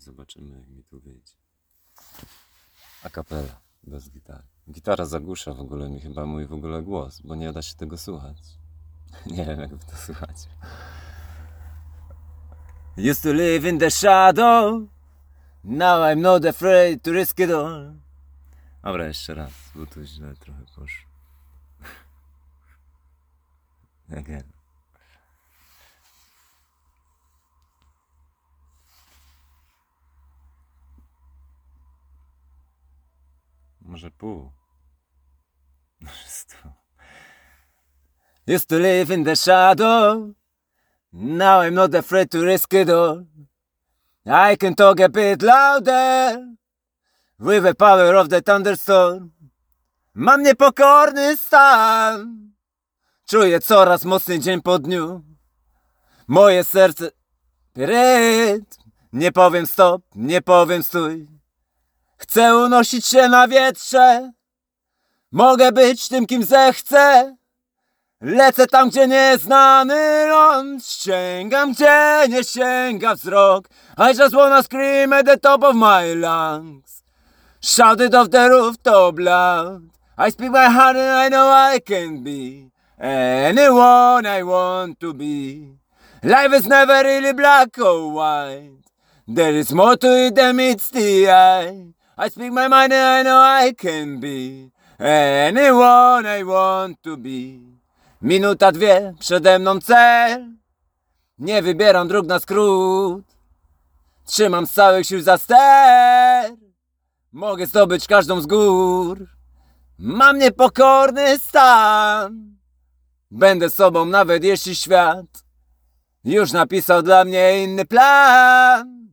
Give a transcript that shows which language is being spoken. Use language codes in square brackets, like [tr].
[pl] Zobaczymy, jak mi tu wyjdzie. A kapela, bez gitary. Gitara zagłusza w ogóle mi chyba mój w ogóle głos, bo nie da się tego słuchać. Nie wiem, jak wy to słuchacie. [en] Used to live in the shadow. Now I'm not afraid to risk it all. [pl] Dobra, jeszcze raz, bo tu źle trochę poszło. [en] Again. [pl] Może pół. Może 100. [en] Used to live in the shadow. Now I'm not afraid to risk it all. I can talk a bit louder. With the power of the thunderstorm. [pl] Mam niepokorny stan. Czuję coraz mocniej dzień po dniu. Moje serce. Rytm. Nie powiem stop, nie powiem stój. Chcę unosić się na wietrze. Mogę być tym, kim zechcę. Lecę tam, gdzie nieznany ląd. Sięgam, gdzie nie sięga wzrok. [en] I just wanna scream at the top of my lungs. Shout it off the rooftop loud. I speak my heart and I know I can be anyone I want to be. Life is never really black or white. There is more to it than meets the eye. I speak my mind and I know I can be anyone I want to be. [pl] Minuta, dwie, przede mną cel. Nie wybieram dróg na skrót. Trzymam z całych sił za ster. Mogę zdobyć każdą z gór. Mam niepokorny stan. Będę sobą nawet jeśli świat już napisał dla mnie inny plan.